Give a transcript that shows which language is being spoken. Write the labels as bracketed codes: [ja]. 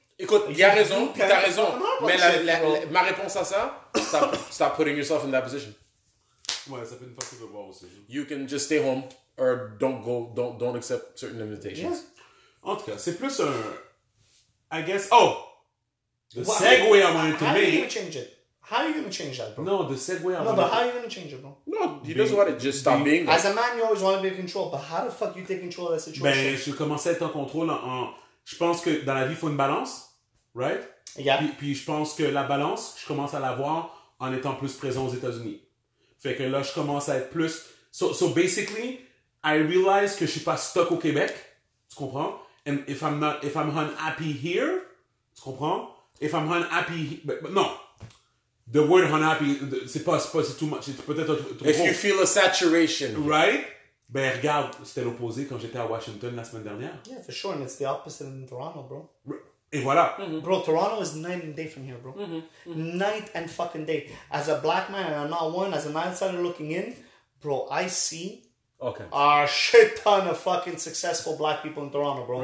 [fr] Écoute, il y a raison, puis t'as raison. Mais ma réponse à ça, [en] stop putting yourself in that position. [fr] Ouais, ça fait une façon de voir aussi. [en] You can just stay home, or don't accept certain invitations. Yeah. [fr] En tout cas, c'est plus un... [en] I guess... [fr] Oh! [en] How are you going to change that, bro? No, he doesn't want to just stop being... As a man, you always want to be in control, but how the fuck you take control of that situation? [fr] Ben, je commençais à être en contrôle en... Je pense que dans la vie, il faut une balance. [en] Right? Yeah. [fr] Puis je pense que la balance, je commence à l'avoir en étant plus présent aux États-Unis. Fait que là, je commence à être plus... [en] So basically, I realize [fr] que je suis pas stuck au Québec. Tu comprends? [en] And if I'm unhappy here, [fr] tu comprends? [en] If I'm unhappy, but no. the word unhappy, c'est too much. It's peut-être trop. If you feel a saturation. Right? [fr] Ben regarde, c'était l'opposé quand j'étais à Washington la semaine dernière. [en] Yeah, for sure. And it's the opposite in Toronto, bro. [fr] Et voilà. Mm-hmm. [en] Bro, Toronto is night and day from here, bro. Mm-hmm. Mm-hmm. Night and fucking day. As a black man, and I'm not one, as an outsider looking in, bro, I see a shit ton of fucking successful black people in Toronto, bro.